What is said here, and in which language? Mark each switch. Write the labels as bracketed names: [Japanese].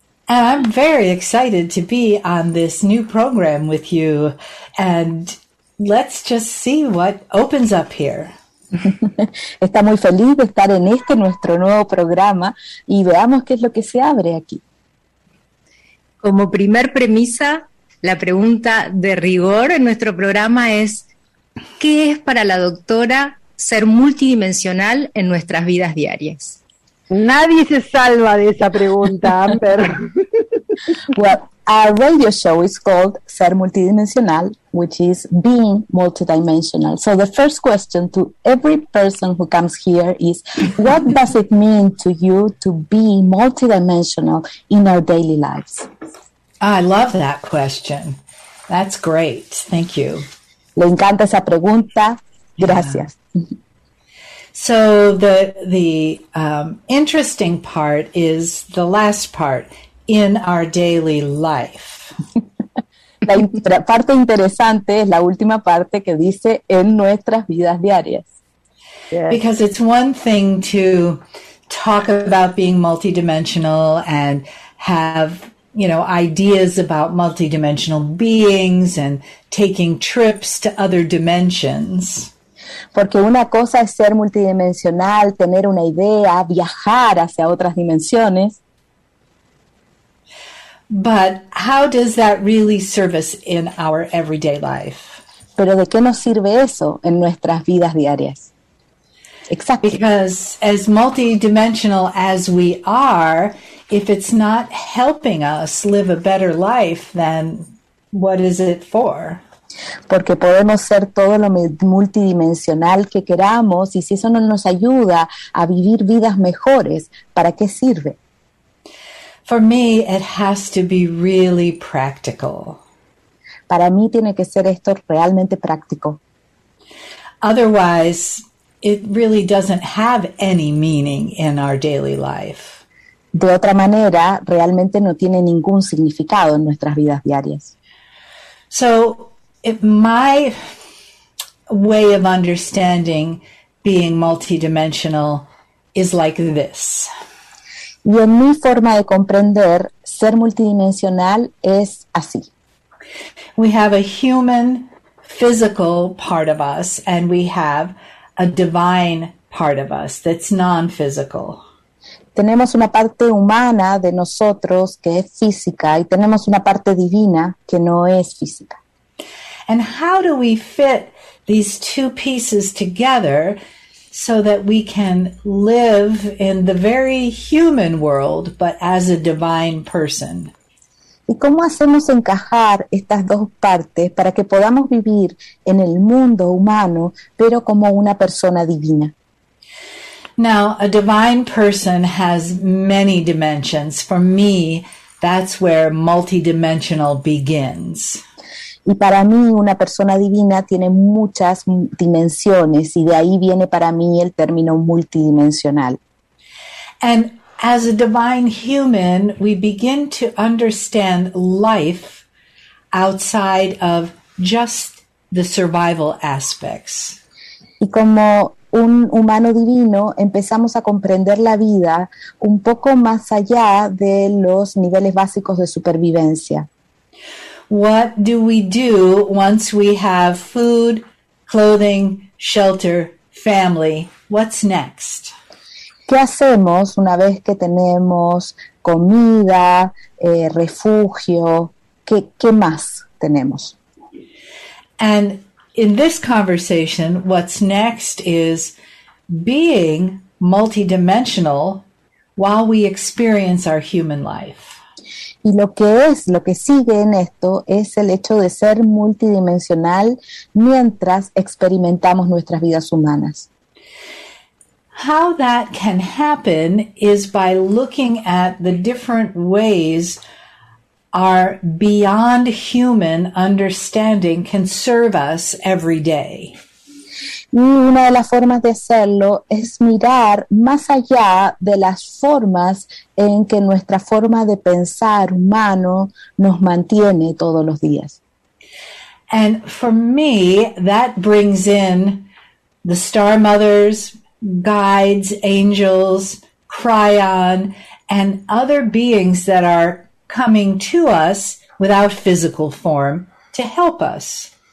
[English] And I'm very excited to be on this new program with you. And let's just see what opens up here. [Spanish] Está muy feliz de estar en este nuestro nuevo programa y veamos qué es lo que se abre aquí. Como primer premisa, la pregunta de rigor en nuestro programa es, ¿qué es para la doctora ser multidimensional en nuestras vidas diarias? Nadie se salva de esa pregunta, Amber. [English] Well, our radio show is called Ser Multidimensional, which is being multidimensional. So the first question to every person who comes here is, what does it mean to you to be multidimensional in our daily lives? I love that question. That's great. Thank you. [Spanish] Le encanta esa pregunta. Gracias. Yeah. [English] So the interesting part is the last part, in our daily life. [Spanish] La parte interesante es la última parte que dice en nuestras vidas diarias. [English] Yeah. Because it's one thing to talk about being multidimensional and have, you know, ideas about multidimensional beings and taking trips to other dimensions. [Spanish] Porque una cosa es ser multidimensional, tener una idea, viajar hacia otras dimensiones. [English] But how does that really serve us in our everyday life? [Spanish] Pero ¿de qué nos sirve eso en nuestras vidas diarias? [English] Exactly. Because as multidimensional as we are, if it's not helping us live a better life, then what is it for? [Spanish] Porque podemos ser todo lo multidimensional que queramos, y si eso no nos ayuda a vivir vidas mejores, ¿para qué sirve? [English] For me, it has to be really practical. [Spanish] Para mí tiene que ser esto realmente práctico. [English] Otherwise, it really doesn't have any meaning in our daily life. [Spanish] De otra manera, realmente no tiene ningún significado en nuestras vidas diarias. [English] So, my way of understanding being multidimensional is like this. [Spanish] Y en mi forma de comprender, ser multidimensional es así. [English] We have a human physical part of us and we have a divine part of us that's non-physical. [Spanish] Tenemos una parte humana de nosotros que es física y tenemos una parte divina que no es física. [English] And how do we fit these two pieces together so that we can live in the very human world but as a divine person? [Spanish] ¿Y cómo hacemos encajar estas dos partes para que podamos vivir en el mundo humano pero como una persona divina? [English] Now, a divine person has many dimensions. For me, that's where multidimensional begins. [Spanish] Y para mí, una persona divina tiene muchas dimensiones, y de ahí viene para mí el término multidimensional. [English] And as a divine human, we begin to understand life outside of just the survival aspects. [Spanish] Y como un humano divino, empezamos a comprender la vida un poco más allá de los niveles básicos de supervivencia. [English] What do we do once we have food, clothing, shelter, family? What's next? [Spanish] ¿Qué hacemos una vez que tenemos comida, refugio? ¿Qué más tenemos? [English] And in this conversation, what's next is being multidimensional while we experience our human life. [Spanish] Y lo que sigue en esto es el hecho de ser multidimensional mientras experimentamos nuestras vidas humanas. [English] How that can happen is by looking at the different ways our beyond human understanding can serve us every day. [Spanish] Y una de las formas de hacerlo es mirar más allá de las formas en que nuestra forma de pensar humano nos mantiene todos los días. [English] And for me, that brings in the star mothers, guides, angels, Kryon, and other beings that are coming to us without physical form to help us.